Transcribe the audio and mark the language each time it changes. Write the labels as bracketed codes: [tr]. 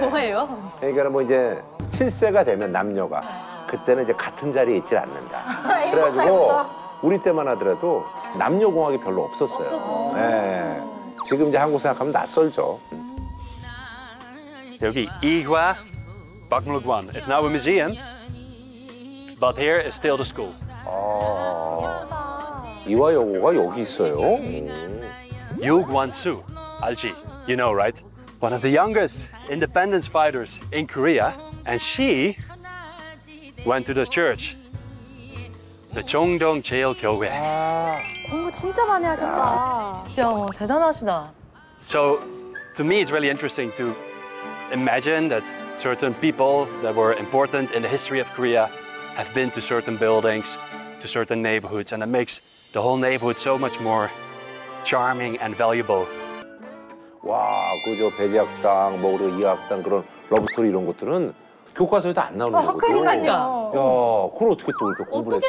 [ko] 뭐예요? 그러니까 뭐 이제 칠세가 되면 남녀가 그때는 이제 같은 자리에 있지 않는다. 그래가지고 우리 때만 하더라도 남녀 공학이 별로 없었어요. 예. 네. 지금 이제 한국 생각하면 낯설죠. 여기 이화 박물관. [en] It's now a museum, but here is still the school. 아. [ko] 이화 여고가 여기 있어요. 유관수, 알지? [en] You know, right? One of the youngest independence fighters in Korea, and she went to the church, the Jeongdong Jail 교회. [ko] 공부 진짜 많이 하셨다. 진짜 대단하시다. [en] So, to me, it's really interesting to imagine that certain people that were important in the history of Korea have been to certain buildings, to certain neighborhoods, and it makes the whole neighborhood so much more charming and valuable. [ko] 와, 그저 배지학당, 뭐 그리고 이학당 그런 러브스토리 이런 것들은 교과서에도 안 나오는 거예요. 그러니까요. 야, 그걸 어떻게 또 이렇게 공부를 했어요?